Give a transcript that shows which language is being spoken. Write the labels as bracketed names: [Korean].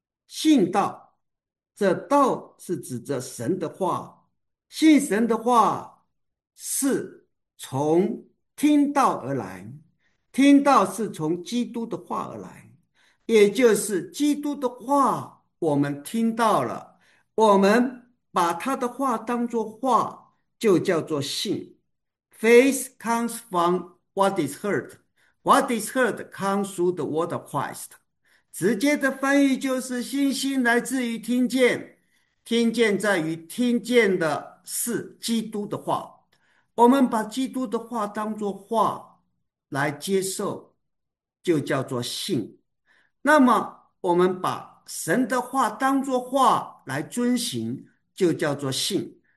[Chinese] 信道，这道是指着神的话，信神的话是从听道而来，听道是从基督的话而来，也就是基督的话，我们听到了，我们把他的话当作话，就叫做信。 [English] Faith comes from what is heard. What is heard comes through the word of Christ. [Chinese] 直接的翻译就是信心来自于听见，听见在于听见的是基督的话。我们把基督的话当作话来接受，就叫做信。那么我们把神的话当作话来遵行，就叫做信。